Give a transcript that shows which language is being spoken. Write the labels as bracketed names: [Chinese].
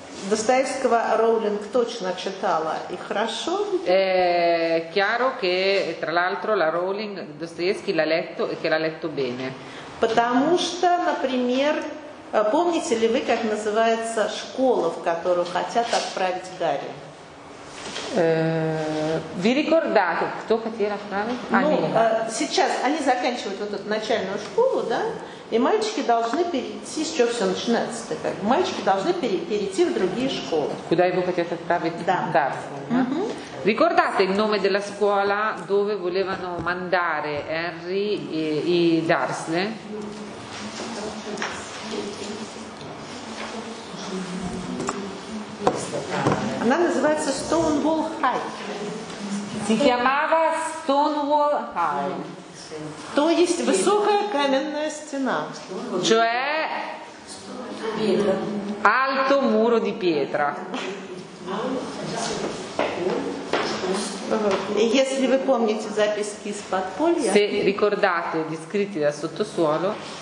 [Russian] Достоевского Роулинг точно читала и хорошо. [Italian] Chiaro che tra l'altro la Rowling Dostoevsky l'ha letto e che l'ha letto bene. [Russian] Потому что, например, помните ли вы, как называется школа, в которую хотят отправить Гарри? [Italian] Vi ricordate, [Russian] кто хотел отправить? Сейчас они заканчивают вот эту начальную школу, да? И мальчики должны перейти, с чего все начинается, так как мальчики должны перейти в другие школы. Куда его хотят отправить? Да. Да. [Italian] Ricordate il nome della scuola dove volevano mandare Harry e Dursley? [Russian] Она называется Stonewall High. [Italian] Si chiamava Stonewall High. [Russian] То есть высокая каменная стена. [Italian] Cioè alto muro di pietra. [Russian] Если вы помните записки из подполья. [Italian] Se ricordate gli scritti da sottosuolo.